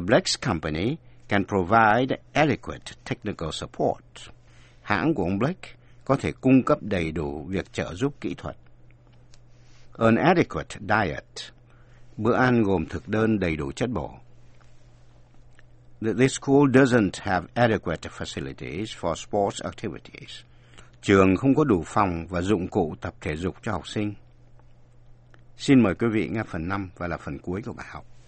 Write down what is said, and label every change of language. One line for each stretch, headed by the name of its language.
English: Blake's company can provide adequate technical support.
Vietnamese: Hãng của ông Blake có thể cung cấp đầy đủ việc trợ giúp kỹ thuật.
English: An adequate diet.
Vietnamese: Bữa ăn gồm thực đơn đầy đủ chất bổ.
English: This school doesn't have adequate facilities for sports activities.
Vietnamese: Trường không có đủ phòng và dụng cụ tập thể dục cho học sinh. Xin mời quý vị nghe phần 5 và là phần cuối của bài học.